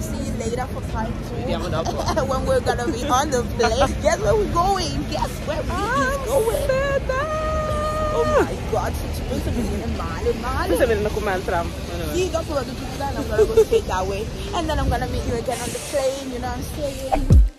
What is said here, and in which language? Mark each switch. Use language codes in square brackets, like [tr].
[en] See you later for part two. When we're gonna be on the plane. Guess where we're going? Guess where we are going? Santa. [it] Oh my god, ci penso che viene male, male. Tu stai venendo con me al tram? Sì, dopo vado tutta la notte, [en] I'm gonna go straight away. And then I'm gonna meet you again on the plane, you know what I'm saying?